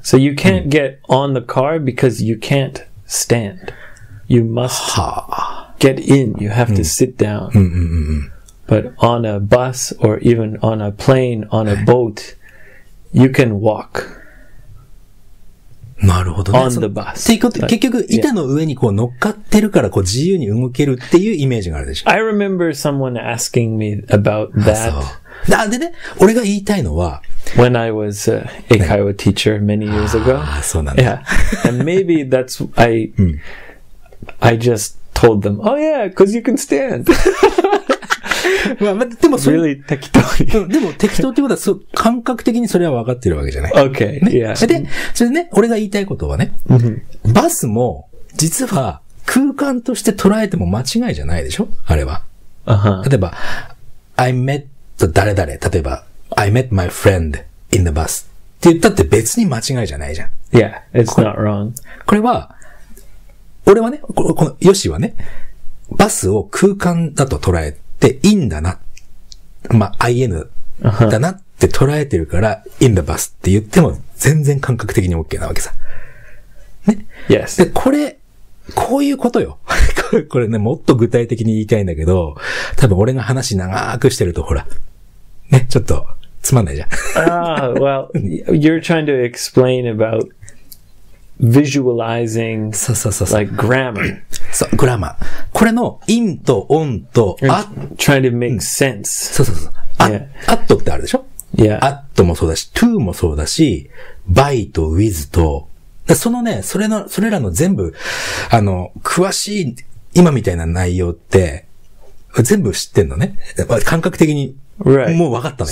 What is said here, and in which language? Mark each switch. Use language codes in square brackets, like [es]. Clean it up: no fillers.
[en] So you can't get on the car because you can't stand. You must get in. You have to sit down. But on a bus or even on a plane, on a boat, you can walk. [ja] なるほどね。 [en] on the bus. [ja] っていうこと、結局、板の上にこう乗っかってるからこう自由に動けるっていうイメージがあるでしょ。 [en] I remember someone asking me about that. [ja] あ、そう。なんでね、俺が言いたいのは、 [en] When I was a Kaiwa teacher many years ago. [ja] あ、そうなんだ。 [en] Yeah. And maybe that's, I just told them, oh yeah, because you can stand. [ja] まあ、まあ、でもそれ、really 適当に。でも適当ってことは、感覚的にそれは分かってるわけじゃない。 [en] Okay. [ja] ね、 [en] yeah. [ja] で、それでね、俺が言いたいことはね、 [en] mm-hmm. [ja] バスも、実は空間として捉えても間違いじゃないでしょあれは。 [en] Uh-huh. [ja] 例えば、 [en] I met 誰々、例えば、I met my friend in the bus [ja] って言ったって別に間違いじゃないじゃん。 [en] Yeah, it's not wrong. [ja] これは、俺はね、このヨシはね、バスを空間だと捉えていいんだな、まあ、IN だなって捉えてるから、uh-huh. in the bus って言っても全然感覚的に OK なわけさ。ね。 [en] Yes. [ja] で、これ、こういうことよ。これね、もっと具体的に言いたいんだけど、多分俺が話長くしてるとほら、ね、ちょっとつまんないじゃん。 [en] Ah, well, you're trying to explain aboutvisualizing like grammar. [ja] そう、グラマー。これの in と on と at [en] trying to make sense. [ja] そうそうそう。at ってあるでしょ？ at もそうだし、to もそうだし、by と with と、そのね、それの、それらの全部、あの、詳しい、今みたいな内容って、全部知ってんのね。感覚的に、もう分かったの